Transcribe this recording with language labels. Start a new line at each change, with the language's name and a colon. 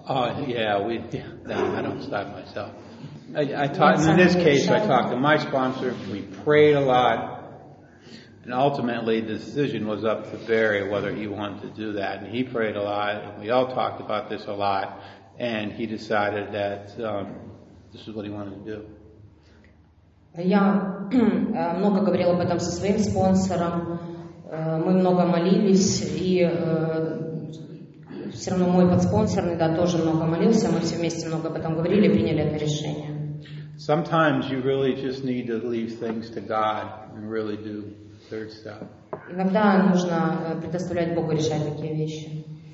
English: No, I don't decide myself. I talked to my sponsor. We prayed a lot, and ultimately, the decision was up to Barry whether he wanted to do that. And he prayed a lot, and we all talked about this a lot. And he decided that this is what he wanted to do.
Russian: Я много говорил об этом со своим спонсором. Мы много молились, и все равно мой подспонсор, да, тоже много молился. Мы все вместе много об этом говорили, приняли это решение.
English: Sometimes you really just need to leave things to God and really do third step.
Russian: Иногда нужно предоставлять Богу решать такие вещи.